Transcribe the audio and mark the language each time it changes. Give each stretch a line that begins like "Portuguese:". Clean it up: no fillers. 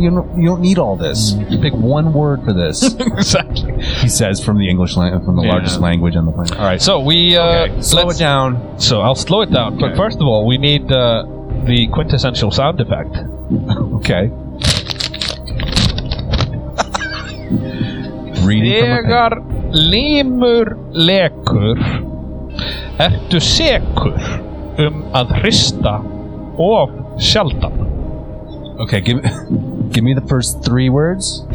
English: You don't need all this. You pick one word for this. Exactly. He says from the English language, from the largest language on the planet. All right, so we... slow it down. So I'll slow it down. Okay. But first of all, we need the quintessential sound effect. Okay.
Icelandic: Þegar límur lekur, ertu sekur að hrista of sjaldan.
English: Okay, give me the first three words.